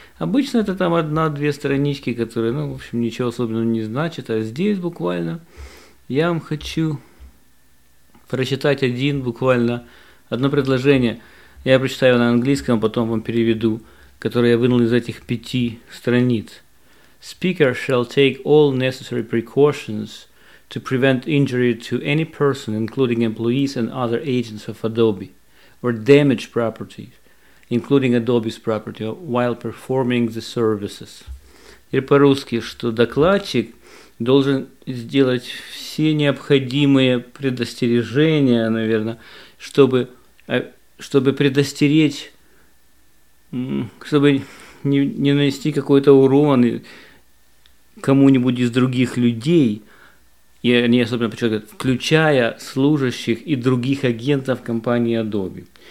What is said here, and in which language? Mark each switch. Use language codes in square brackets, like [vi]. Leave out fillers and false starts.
[ru] Обычно это там 1-2 странички, которые, ну, в общем, ничего особенного не значат. А здесь буквально я вам хочу прочитать одно предложение. Я прочитаю на английском, а потом вам переведу, которое я вынул из этих 5 страниц. [en] Speaker shall take all necessary precautions to prevent injury to any person, including employees and other agents of Adobe, or damage property, including Adobe's property, while performing the services. [ru] Теперь по-русски, что докладчик должен сделать все необходимые предостережения, наверное, чтобы предостеречь, чтобы не нанести какой-то урон кому-нибудь из других людей, и они особенно подчеркивают, включая служащих и других агентов компании Adobe.